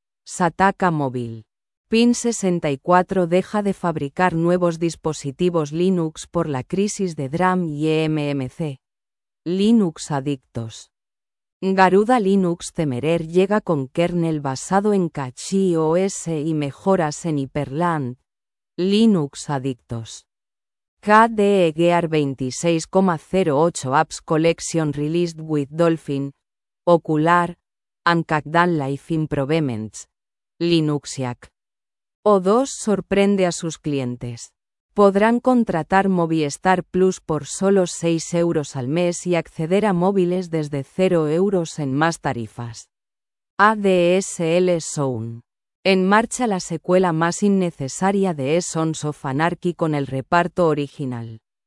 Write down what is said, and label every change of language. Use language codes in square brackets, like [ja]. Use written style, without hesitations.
[es] Sataka Móvil. PIN 64 deja de fabricar nuevos dispositivos Linux por la crisis de DRAM y eMMC. Linux adictos. Garuda Linux Temerer llega con kernel basado en KGOS y mejoras en Hyperland. Linux adictos. [en] KDE Gear 26.08 Apps Collection released with Dolphin, Ocular, and Kaggle Life Improvements. [es] Linuxiac. O2 sorprende a sus clientes. Podrán contratar Movistar Plus por solo 6 euros al mes y acceder a móviles desde 0 euros en más tarifas. ADSL Zone. En marcha la secuela más innecesaria de Sons of Anarchy con el reparto original.